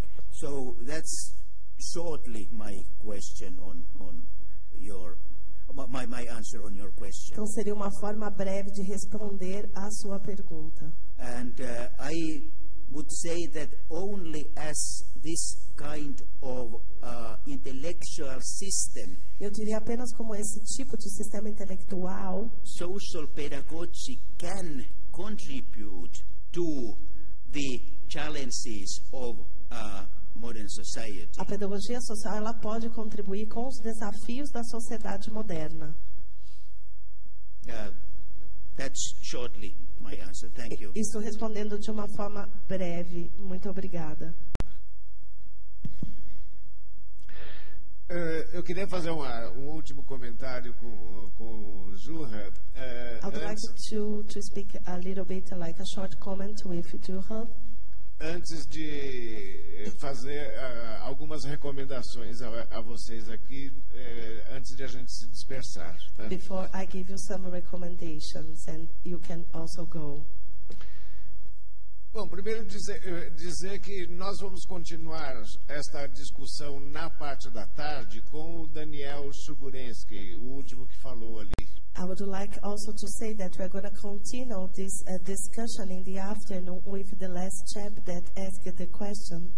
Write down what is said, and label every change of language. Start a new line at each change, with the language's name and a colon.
English: So that's shortly my question on your my answer on your question.
Portuguese: Então seria uma forma breve de responder à sua pergunta.
English: And I would say that only as this kind of intellectual system.
Portuguese: Eu diria apenas como esse tipo de sistema intelectual.
English: Social pedagogy can contribute to the challenges of modern society.
Portuguese: A pedagogia social ela pode contribuir com os desafios da sociedade moderna.
English: That's shortly my answer. Thank you.
Portuguese: Estou respondendo de uma forma breve. Muito obrigada. Eu queria fazer um último comentário com Juha.
English: I'd like to speak a little bit, like a short comment with Juha.
Portuguese: Antes de fazer algumas recomendações a vocês aqui, antes de a gente se dispersar. Né?
English: Before I give you some recommendations and you can also go.
Portuguese: Bom, primeiro dizer que nós vamos continuar esta discussão na parte da tarde com o Daniel Sugurensky, o último que falou ali.
English: I would like also to say that we are going to continue this discussion in the afternoon with the last chap that asked the question.